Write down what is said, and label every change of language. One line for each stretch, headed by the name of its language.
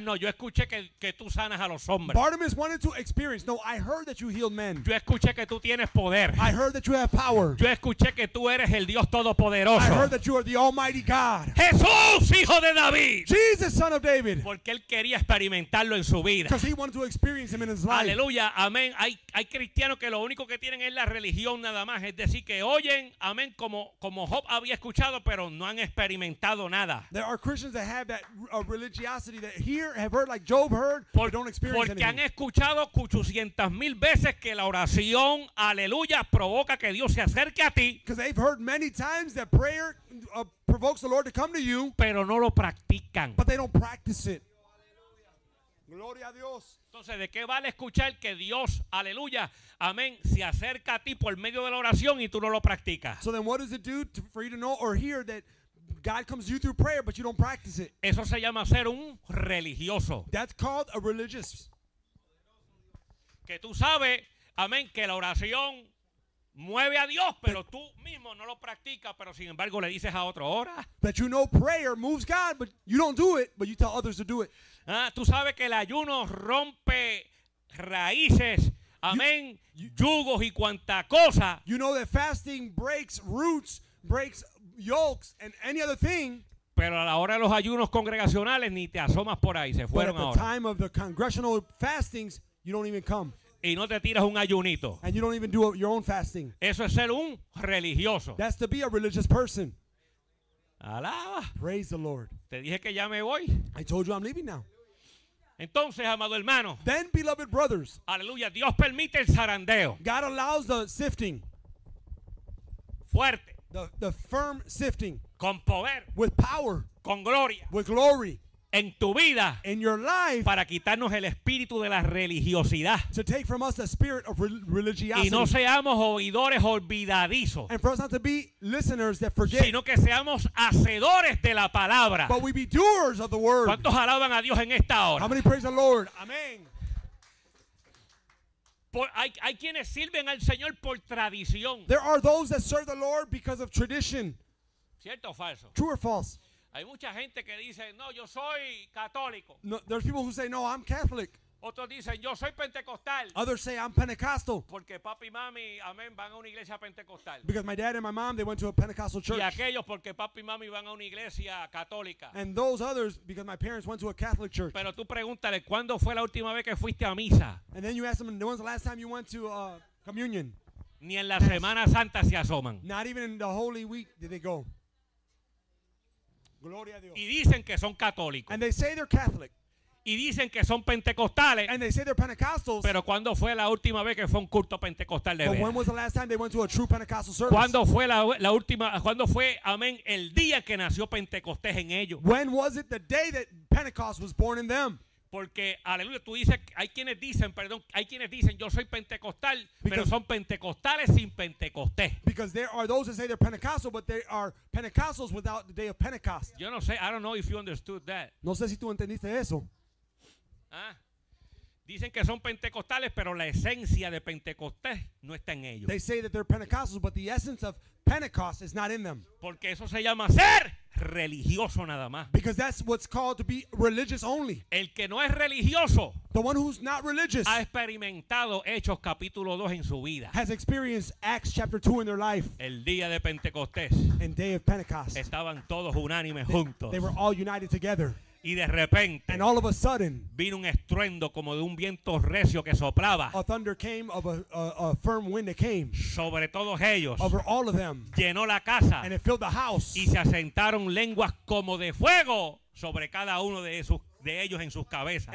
Spanish: No, yo escuché que tú sanas a los hombres.
English: Bartimaeus wanted to experience. No, I heard that you heal men.
Spanish: Yo escuché que tú tienes poder.
English: I heard that you have power.
Spanish: Yo escuché que tú eres el Dios Todopoderoso.
English: I heard that you are the Almighty God.
Spanish: Jesús, Hijo de David.
English: Jesus, Son of David.
Spanish: Porque él quería experimentarlo en su vida.
English: Because he wanted to experience him in his life.
Spanish: Aleluya, amén. Hay cristianos que lo único que tienen es la religión nada más. Es decir, que oyen, amén, como Job había escuchado, pero no han experimentado nada.
English: There are Christians that have that religiosity that hear, have heard like Job heard, but don't experience
Spanish: porque
English: anything.
Spanish: Porque han escuchado 800,000 veces que la oración, aleluya, provoca que Dios se acerque a ti.
English: Because they've heard many times that prayer provokes the Lord to come to you,
Spanish: pero no lo practican.
English: But they don't practice it.
Spanish: Gloria a Dios. Entonces, ¿de qué vale escuchar que Dios, aleluya, amén, se acerca a ti por medio de la oración y tú no lo practicas?
English: So then what does it do for you to know or hear that God comes to you through prayer but you don't practice it?
Spanish: Eso se llama ser un religioso.
English: That's called a religious.
Spanish: Que tú sabes, amén, que la oración mueve a Dios, pero tú mismo no lo practicas, pero sin embargo le dices a otro, ora.
English: That you know prayer moves God, but you don't do it, but you tell others to do it.
Spanish: Ah, tú sabes que el ayuno rompe raíces, amén, yugos y cuanta cosa.
English: You know that fasting breaks roots, breaks yokes, and any other thing.
Spanish: Pero a la hora de los ayunos congregacionales ni te asomas por ahí, se fueron ahora.
English: But at the time of the congressional fastings, you don't even come.
Spanish: Y no te tiras un ayunito.
English: And you don't even do your own fasting.
Spanish: Eso es ser un religioso.
English: That's to be a religious person.
Spanish: Alaba.
English: Praise the Lord.
Spanish: Te dije que ya me voy.
English: I told you I'm leaving now.
Spanish: Entonces, amado hermano.
English: Then, beloved brothers.
Spanish: Aleluya. Dios permite el zarandeo.
English: God allows the sifting.
Spanish: Fuerte.
English: The firm sifting.
Spanish: Con poder.
English: With power.
Spanish: Con gloria.
English: With glory.
Spanish: En tu vida,
English: in your life,
Spanish: para quitarnos el espíritu de la religiosidad,
English: to take from us the spirit of religiosity,
Spanish: y no seamos oidores olvidadizos,
English: and for us not to be listeners that forget,
Spanish: sino que seamos hacedores de la palabra,
English: but we be doers of the word.
Spanish: ¿Cuántos alaban a Dios en esta hora?
English: How many praise the Lord?
Spanish: Amén. Hay quienes sirven al Señor por tradición.
English: There are those that serve the Lord because of tradition.
Spanish: ¿Cierto o falso?
English: True or false?
Spanish: Hay mucha gente que dice, no, yo soy católico.
English: No, there's people who say, no, I'm Catholic.
Spanish: Otros dicen, yo soy pentecostal.
English: Others say, I'm Pentecostal.
Spanish: Porque papi y mami, amén, van a una iglesia pentecostal.
English: Because my dad and my mom, they went to a Pentecostal church.
Spanish: Y aquellos porque papi y mami van a una iglesia católica.
English: And those others, because my parents went to a Catholic church.
Spanish: Pero tú pregúntale, ¿cuándo fue la última vez que fuiste a misa?
English: And then you ask them, when was the last time you went to communion?
Spanish: Ni en la Semana Santa se asoman.
English: Not even in the Holy Week did they go.
Spanish: Y dicen que son católicos.
English: And they say they're Catholic.
Spanish: y dicen que son pentecostales.
English: And they say they're Pentecostals.
Spanish: Pero ¿cuándo fue la última vez que fue un culto pentecostal de verdad?
English: When was the last time they went to a true Pentecostal service?
Spanish: ¿Cuándo fue la última? ¿Cuándo fue, amén, el día que nació Pentecostés en ellos?
English: When was it the day that Pentecost was born in them?
Spanish: Porque aleluya, tú dices, hay quienes dicen yo soy pentecostal,
English: because,
Spanish: pero son pentecostales sin Pentecostés.
English: Because there are those that say they're Pentecostal, but they are Pentecostals without the day of Pentecost.
Spanish: Yo no sé,
English: I don't know if you understood that.
Spanish: No sé si tú entendiste eso. Ah, dicen que son pentecostales, pero la esencia de Pentecostés no está en ellos.
English: They say that they're Pentecostals, but the essence of Pentecost is not in them.
Spanish: Porque eso se llama ser religioso nada más.
English: Because that's what's called to be religious only.
Spanish: El que no es religioso,
English: the one who's not religious,
Spanish: ha experimentado Hechos capítulo 2 en su vida.
English: Has experienced Acts chapter 2 in their life.
Spanish: El día de Pentecostés.
English: And day of Pentecost.
Spanish: Estaban todos unánimes juntos.
English: They were all united together.
Spanish: Y de repente,
English: and all of a sudden,
Spanish: vino un estruendo como de un viento recio que soplaba.
English: A thunder came of a firm wind that came.
Spanish: Sobre todos ellos.
English: Over all of them.
Spanish: Llenó la casa.
English: And it filled the house.
Spanish: Y se asentaron lenguas como de fuego sobre cada uno de esos de ellos en sus cabezas.